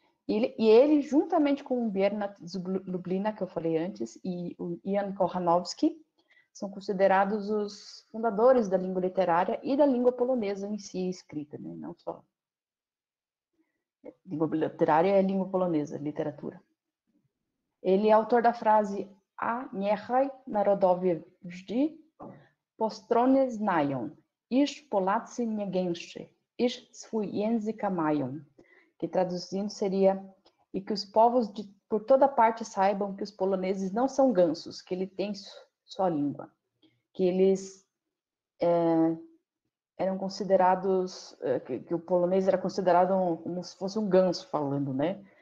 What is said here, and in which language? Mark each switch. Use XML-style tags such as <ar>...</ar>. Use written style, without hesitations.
<pt>E ele, juntamente com o Bernat z Lublina, que eu falei antes, e o Jan Kochanowski, são considerados os fundadores da língua literária e da língua polonesa em si escrita, né? Não só língua literária e língua polonesa, literatura. Ele é autor da frase</pt> <pl>A niechaj narodowie wżdy po stronie znają, iż Polacy nie gęszczy, iż swój język mają.</pl> <pt>Que traduzindo seria, e que os povos de por toda parte saibam que os poloneses não são gansos, que ele tem sua língua. Que eles eram considerados, que o polonês era considerado como se fosse um ganso falando, né?</pt>